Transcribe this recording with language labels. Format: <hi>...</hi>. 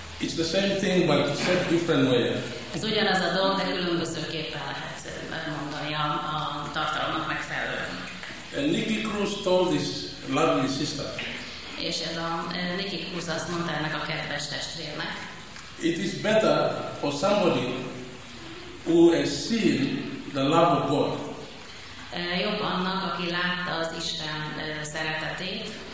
<en>It's the same thing, but said different way.</en> <hu>Ez ugyanaz a dolog, de különbözőképpen lehet mondani a tartalomnak megfelelően.</hu> <en>And Nicky Cruz told his lovely sister.</en> <hu>És ez a Nicky Cruz azt mondta ennek a kedves testvérnek.</hu> <en>It is better for somebody who has seen the love of God.</en> <hu>Jobb annak, aki látta az Isten szeretetét.</hu>